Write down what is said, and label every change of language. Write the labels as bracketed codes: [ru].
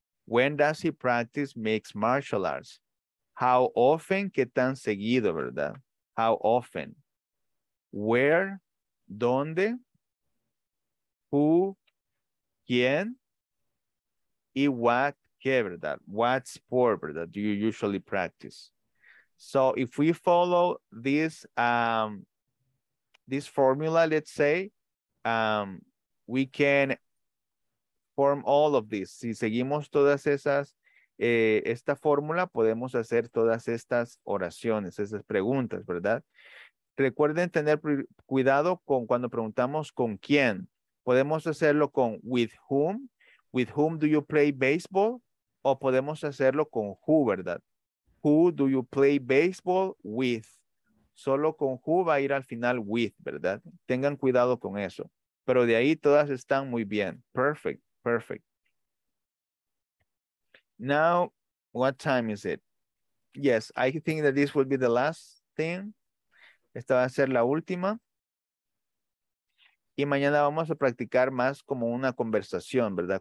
[en] When does he practice mixed martial arts? How often, [es] qué tan seguido, verdad? [en] How often? Where? [es] ¿Dónde? [en] ¿Who? [es] ¿Quién? [en] ¿Y what? [es] ¿Qué, verdad? [en] What sport, [es] verdad, [en] do you usually practice? So, if we follow this this formula, let's say, we can form all of this. [es] Si seguimos todas esas, esta fórmula, podemos hacer todas estas oraciones, esas preguntas, ¿verdad? Recuerden tener cuidado con cuando preguntamos con quién. Podemos hacerlo con [en] with whom. With whom do you play baseball? [es] O podemos hacerlo con [en] who, [es] ¿verdad? [en] Who do you play baseball with? [es] Solo con who va a ir al final with, ¿verdad? Tengan cuidado con eso. Pero de ahí todas están muy bien. [en] Perfect, perfect. Now, what time is it? Yes, I think that this will be the last thing. [es] Esta va a ser la última. Y mañana vamos a practicar más como una conversación, ¿verdad?